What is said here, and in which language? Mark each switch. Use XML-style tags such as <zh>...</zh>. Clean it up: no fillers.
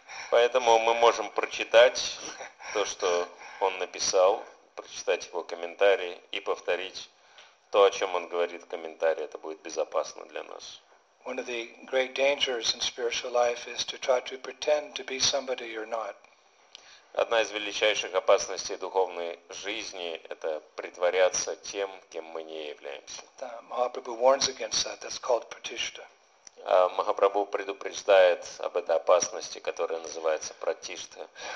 <ru>Поэтому мы можем прочитать то, что он написал, прочитать его комментарий и повторить то, о чем он говорит в комментарии, это будет безопасно для нас.</ru> <en>One of the great dangers in spiritual life is to try to pretend to be somebody you're not.</en> <ru>Одна из величайших опасностей духовной жизни – это притворяться тем, кем мы не являемся.</ru> <en>Mahaprabhu warns against that. That's called pratishtha.</en> <ru>Махапрабху предупреждает об этой опасности, которая называется пратишта.</ru>